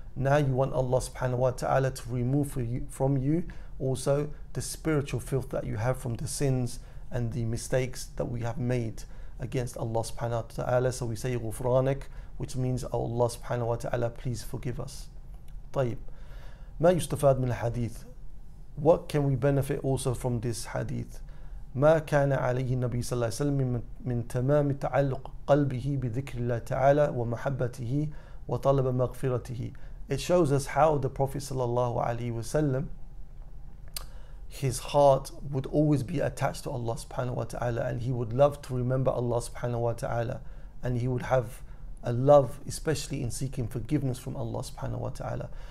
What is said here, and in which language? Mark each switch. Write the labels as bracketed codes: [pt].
[en] Now you want Allah subhanahu wa ta'ala to remove from you also the spiritual filth that you have from the sins and the mistakes that we have made against Allah subhanahu wa ta'ala. So we say Ghufranak, which means, oh Allah subhanahu wa ta'ala, please forgive us. Tayyib. [ar] ما يستفاد من الحديث. [en] What can we benefit also from this hadith? [ar] ما كان عليه النبي صلى الله عليه وسلم من تمام تعلق قلبه بذكر الله تعالى ومحبته وطلب مغفرته. [en] It shows us how the Prophet صلى الله عليه وسلم, his heart would always be attached to Allah subhanahu wa ta'ala, and he would love to remember Allah subhanahu wa ta'ala, and he would have a love, especially in seeking forgiveness from Allah subhanahu wa ta'ala.